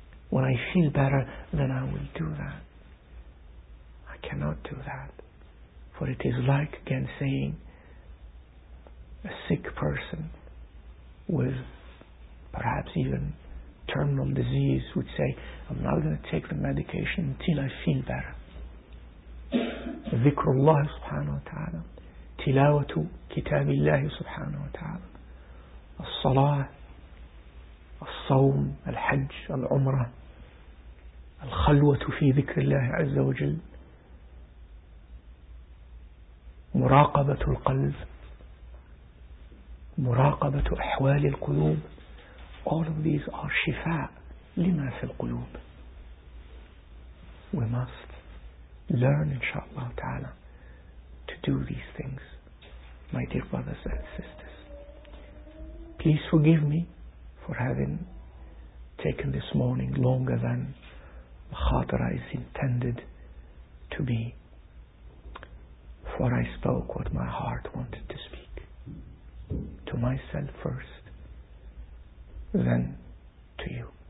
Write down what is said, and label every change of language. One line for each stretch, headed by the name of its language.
English: When I feel better, then I will do that. I cannot do that. For it is like, again, saying a sick person with perhaps even terminal disease would say, I'm not going to take the medication until I feel better. Dhikr of Allah subhanahu wa ta'ala,
Arabic: تلاوة كتاب الله سبحانه وتعالى، الصلاة، الصوم، الحج، العمرة، الخلوة في ذكر الله عز وجل، مراقبة القلب، مراقبة أحوال القلوب.
English: All of these are
Arabic: شفاء لما في القلوب.
English: We must learn
Arabic: إن شاء الله تعالى
English: to do these things. My dear brothers and sisters, please forgive me for having taken this morning longer than the khatira is intended to be, for I spoke what my heart wanted to speak, to myself first, then to you.